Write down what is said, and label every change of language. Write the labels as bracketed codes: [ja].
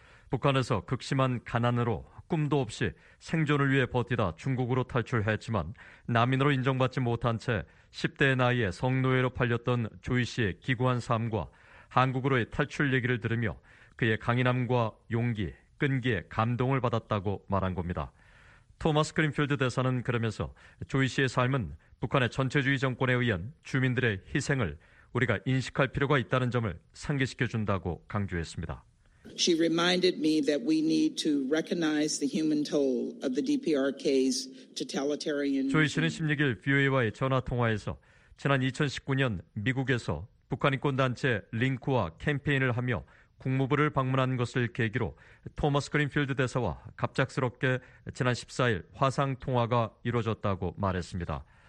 [ko] 북한에서 극심한 가난으로 꿈도 없이 생존을 위해 버티다 중국으로 탈출했지만 난민으로 인정받지 못한 채 10대의 나이에 성노예로 팔렸던 조이 씨의 기구한 삶과 한국으로의 탈출 얘기를 들으며 그의 강인함과 용기, 끈기에 감동을 받았다고 말한 겁니다. 토마스 그린필드 대사는 그러면서 조이 씨의 삶은 북한의 전체주의 정권에 의한 주민들의 희생을 우리가 인식할 필요가 있다는 점을 상기시켜준다고 강조했습니다. [en] She reminded me that we need to recognize the human toll of the DPRK's totalitarian. [ko] 조이 씨는 16일 VOA와의 전화 통화에서 지난 2019년 미국에서 북한 인권 단체 링크와 캠페인을 하며 국무부를 방문한 것을 계기로 토마스 그린필드 대사와 갑작스럽게 지난 14일 화상 통화가 이루어졌다고 말했습니다.